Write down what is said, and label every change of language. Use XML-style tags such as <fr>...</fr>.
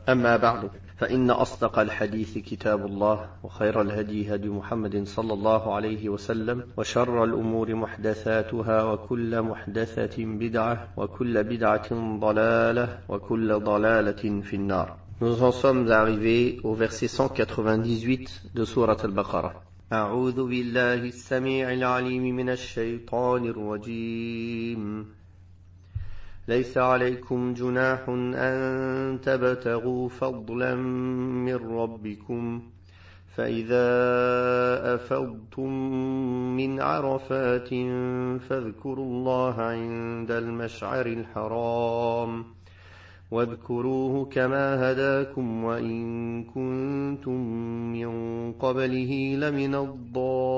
<ar>أما بعد، فإن أصدق الحديث كتاب الله، وخير الهدي هدي محمد صلى الله عليه وسلم، وشر الأمور محدثاتها، وكل محدثة بدعة، وكل بدعة ضلالة، وكل ضلالة في النار.</ar> <fr>Nous en sommes arrivés au verset 198 de sourate Al-Baqarah.</fr> <ar>أعوذ بالله السميع العليم من الشيطان الرجيم. ليس عليكم جناح أن تبتغوا فضلا من ربكم، فإذا أفضتم من عرفات فاذكروا الله عند المشعر الحرام، واذكروه كما هداكم وإن كنتم من قبله لمن الضالين.</ar>